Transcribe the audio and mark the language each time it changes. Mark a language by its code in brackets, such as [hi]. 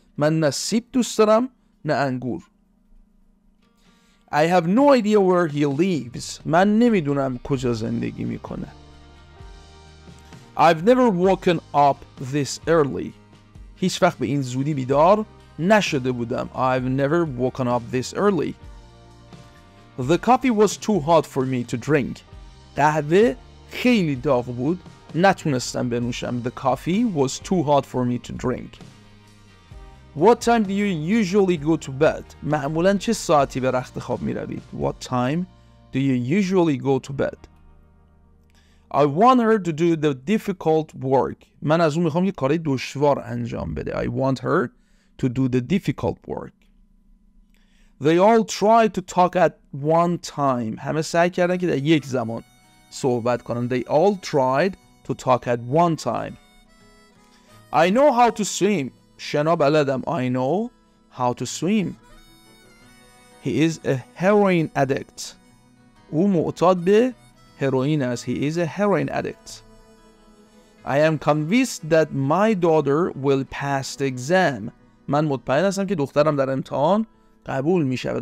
[fa] من نه سیب دوست دارم نه انگور. [en] I have no idea where he lives. [fa] من نمیدونم کجا زندگی میکنه. [en] I've never woken up this early. [fa] هیچ وقت به این زودی بیدار نشده بودم. [en] I've never woken up this early. The coffee was too hot for me to drink. [fa] قهوه خیلی داغ بود. نتونستم بنوشم. [en] The coffee was too hot for me to drink. What time do you usually go to bed? [fa] معمولاً چه ساعتی به رخت خواب می روید؟ [en] What time do you usually go to bed? I want her to do the difficult work. [fa] من از اون می خواهم یک کاری دشوار انجام بده. [en] I want her to do the difficult work. They all try to talk at one time. [fa] همه سعی کردن که در یک زمان صحبت کنن. [en] They all tried to talk at one time. I know how to swim. [fa] شنا بلدم. [en] I know how to swim. He is a heroin addict. [fa] او معتاد به هروئین است. [en] He is a heroin addict. I am convinced that my daughter will pass the exam. [fa] من مطمئن هستم که دخترم در امتحان قبول می شود.